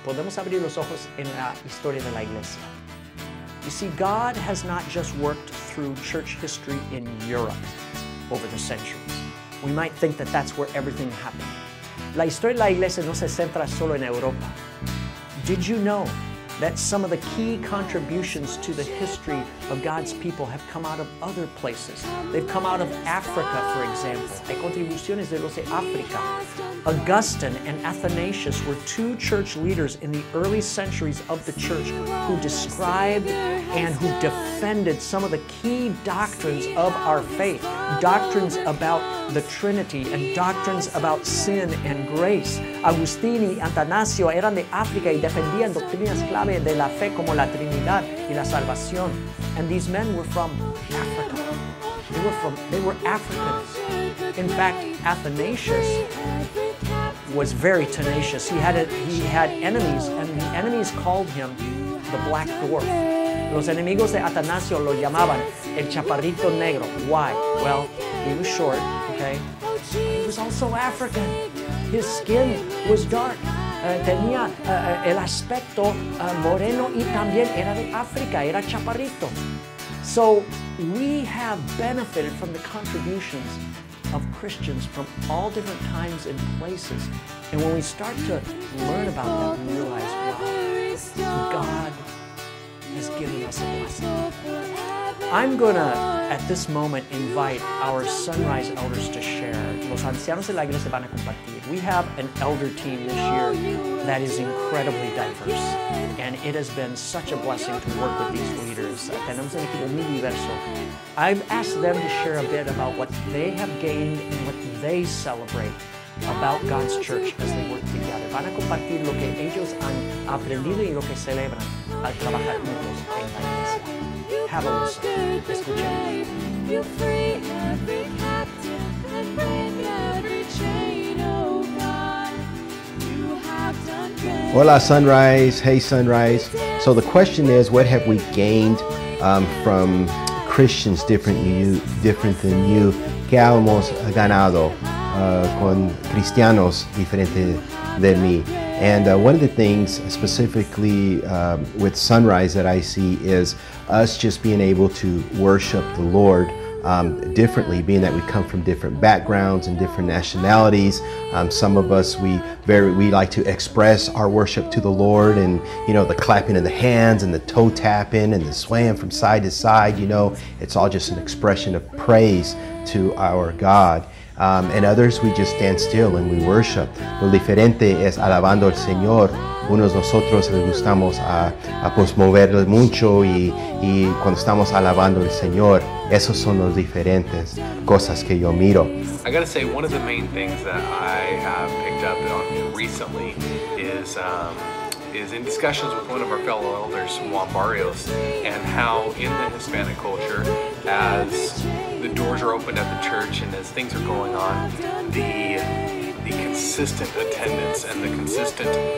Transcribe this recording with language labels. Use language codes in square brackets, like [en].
[es] Podemos abrir los ojos en la historia de la iglesia. [en] You see, God has not just worked through church history in Europe over the centuries. We might think that that's where everything happened. [es] La historia de la iglesia no se centra solo en Europa. [en] Did you know that some of the key contributions to the history of God's people have come out of other places? They've come out of Africa, for example. [es] Hay contribuciones de los de África. [en] Augustine and Athanasius were two church leaders in the early centuries of the church who described and who defended some of the key doctrines of our faith. Doctrines about the Trinity and doctrines about sin and grace. [es] Agustini y Atanasio eran de África y defendían doctrinas clave de la fe como la Trinidad y la salvación. [en] And these men were from Africa. They were Africans. In fact, Athanasius was very tenacious. He had enemies, and the enemies called him the Black Dwarf. [es] Los enemigos de Atanasio lo llamaban el Chaparrito Negro. [en] Why? Well, he was short, okay? He was also African. His skin was dark. [es] Tenía el aspecto moreno y también era de África, era chaparrito. [en] So we have benefited from the contributions of Christians from all different times and places. And when we start to learn about that, we realize, wow, God has given us a blessing. I'm gonna, at this moment, invite our Sunrise elders to share. [es] los ancianos de la iglesia van a compartir. [en] We have an elder team this year that is incredibly diverse, and it has been such a blessing to work with these leaders. [es] Tenemos un equipo muy diverso. [en] I've asked them to share a bit about what they have gained and what they celebrate about God's church as they work together. [es] Van a compartir lo que ellos han aprendido y lo que celebran al trabajar juntos en la iglesia. [en] Have a listen. You free every captive and break every chain, oh God. You have done great. Hola, Sunrise. Hey, Sunrise. So the question is, what have we gained from Christians different than you? [es] ¿Qué hemos ganado con cristianos diferente de mí? [en] And one of the things specifically with Sunrise that I see is us just being able to worship the Lord differently, being that we come from different backgrounds and different nationalities. Some of us, we like to express our worship to the Lord, and you know, the clapping of the hands and the toe tapping and the swaying from side to side, you know, it's all just an expression of praise to our God. And others, we just stand still and we worship. [es] Lo diferente es alabando al Señor. Unos nosotros le gustamos a pues mover mucho y cuando estamos alabando al Señor, esos son los diferentes cosas que yo miro. [en] I gotta say, one of the main things that I have picked up on recently is in discussions with one of our fellow elders, Juan Barrios, and how in the Hispanic culture, as the doors are opened at the church and as things are going on, the consistent attendance and the consistent